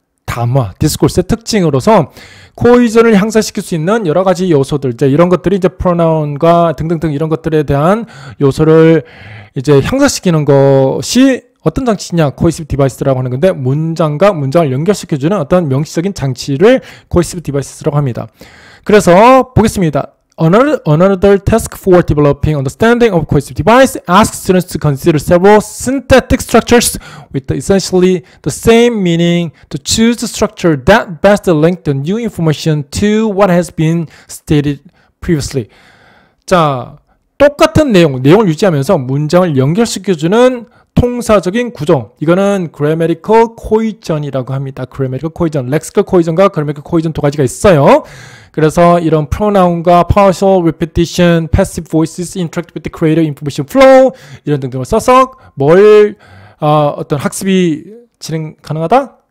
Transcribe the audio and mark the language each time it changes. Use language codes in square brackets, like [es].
[ko] 담화, 디스코스의 특징으로서 코이전을 향상시킬 수 있는 여러 가지 요소들, 이제 이런 것들이 이제 프로나운과 등등등 이런 것들에 대한 요소를 이제 향상시키는 것이 어떤 장치냐? 코이시브 디바이스라고 하는 건데 문장과 문장을 연결시켜주는 어떤 명시적인 장치를 코이시브 디바이스라고 합니다. 그래서 보겠습니다. [en] Another task for developing understanding of cohesive device asks students to consider several synthetic structures with essentially the same meaning to choose the structure that best links the new information to what has been stated previously. [ko] 자, 똑같은 내용을 유지하면서 문장을 연결시켜주는 통사적인 구조. 이거는 grammatical cohesion이라고 합니다. grammatical cohesion, lexical cohesion과 grammatical cohesion 두 가지가 있어요. 그래서 이런 pronoun과 [en] partial repetition, passive voices interact with the creator information flow [ko] 이런 등등을 써서 뭘 어떤 학습이 진행 가능하다?